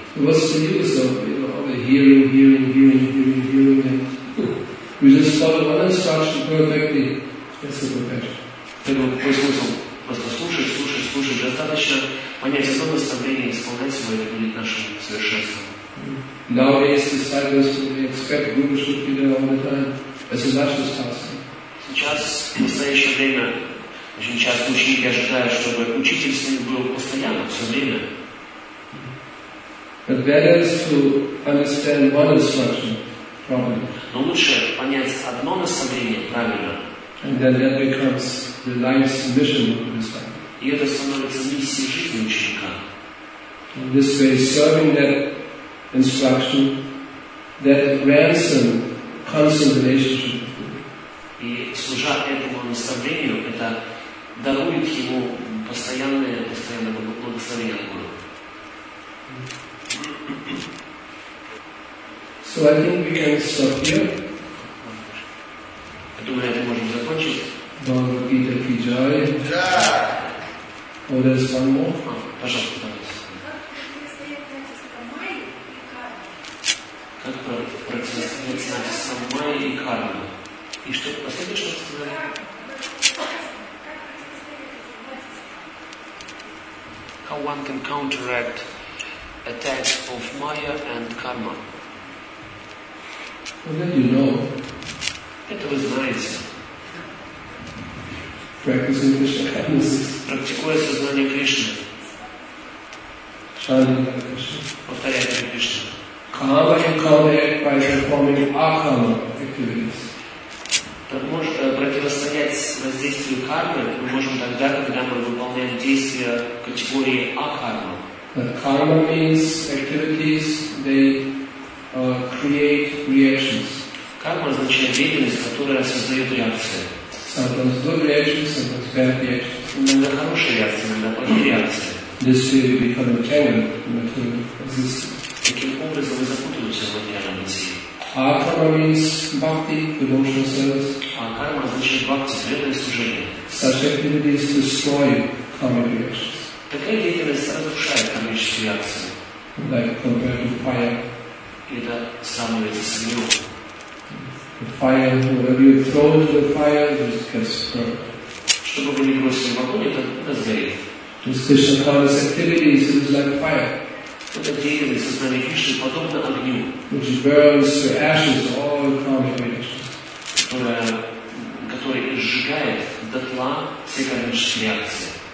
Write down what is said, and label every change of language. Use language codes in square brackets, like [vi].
[en] What's the use of the hearing? We just follow one instruction perfectly. That's the perfection. [ru] Какой смысл? Просто слушать. Достаточно понять одно наставление и исполнять его, это будет нашим совершенством. [en] Nowadays, disciples expect Guru to be there all the time as a natural task. [ru] Сейчас, в настоящее время, очень часто ученики ожидают, чтобы учитель с ними был постоянно, все время. [en] But better is to understand one instruction properly. [ru] Но лучше понять одно наставление правильно. [en] And then that becomes the life's mission of the disciple. [ru] И это становится миссией жизни ученика. [en] In this way, serving that instruction, that ransom constant relationship. [ru] И служа этому наставлению, это дарует ему постоянное благословение от Гуру. [en] So I think we can stop here. [ru] Я думаю, это можем закончить. [en] Бхагавад Гита ки джай. Or there's one more? [ru] Пожалуйста. Как противостоять самай и карме? И что последнее, что вы сказали? [en] How one can counteract attacks of Maya and Karma? Well, then you know. [ru] Это вы знаете. [en] Practicing Krishna consciousness. [ru] Практикуя сознание Кришны. [en] Chanting Hare Krishna. [ru] Повторяя Кришну. [en] Karma can counteract by performing Akarma activities. [ru] Противостоять воздействию кармы мы можем тогда, когда мы выполняем действия категории А-карма. [en] Karma means activities, they create reactions. [ru] Карма означает деятельность, которая создает реакции. [en] Sometimes good reactions, sometimes bad reactions. [ru] Иногда хорошие реакции, иногда плохие реакции. [en] This way you become entangled in material existence. [ru] Таким образом вы запутываетесь в материальном мире. [en] Akarma means bhakti, devotional service. [ru] Akarma означает bhakti, преданное служение. [en] Such activities destroy karmic reactions. [ru] Такая деятельность разрушает кармические реакции. [en] Like compared to fire. [ru] Это сравнивается с огнем. [en] The fire, whatever you throw into the fire, it just gets burnt. [ru] Что бы вы ни бросили в огонь, это сгорит. [en] This Krishna karma's activities is like fire. [ru] Вот эта деятельность сознания Кришны подобна огню. [en] Which burns to ashes all karmic reactions. [ru] Который сжигает дотла все кармические реакции.